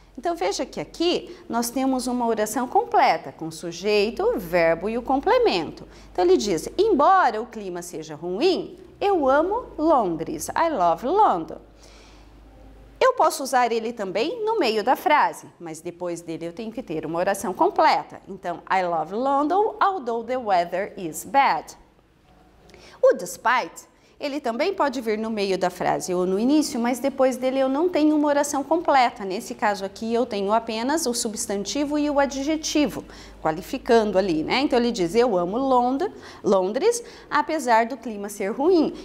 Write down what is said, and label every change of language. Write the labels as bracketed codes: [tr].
[pt] Então, veja que aqui nós temos uma oração completa, com sujeito, verbo e o complemento. Então, ele diz, embora o clima seja ruim, eu amo Londres. [en] I love London. [pt] Eu posso usar ele também no meio da frase, mas depois dele eu tenho que ter uma oração completa. [en] Então, I love London, although the weather is bad. [pt] O despite, ele também pode vir no meio da frase ou no início, mas depois dele eu não tenho uma oração completa. Nesse caso aqui, eu tenho apenas o substantivo e o adjetivo, qualificando ali, né? Então, ele diz, eu amo Londres, apesar do clima ser ruim.